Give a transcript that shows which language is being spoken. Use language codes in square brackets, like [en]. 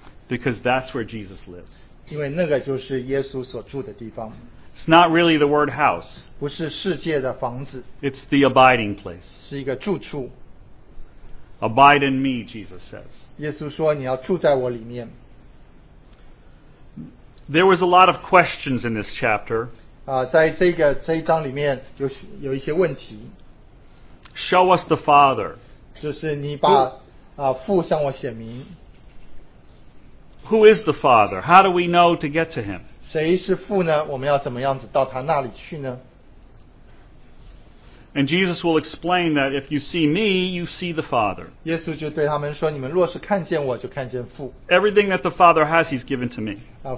[en] Because that's where Jesus lives. [zh] 因为那个就是耶稣所住的地方。 [en] It's not really the word house. [zh] 不是世界的房子。 [en] It's the abiding place. [zh] 是一个住处。 [en] Abide in me, Jesus says. [zh] 耶稣说你要住在我里面。 [en] There was a lot of questions in this chapter. [zh] 在这一章里面有一些问题。 [en] Show us the Father. [zh] 就是你把父向我显明。 [en] Who is the Father? How do we know to get to him? [zh] 谁是父呢? 我们要怎么样子到他那里去呢? [en] And Jesus will explain that if you see me, you see the Father. [zh] 耶稣就对他们说, 你们若是看见我, [en] Everything that the Father has, he's given to me.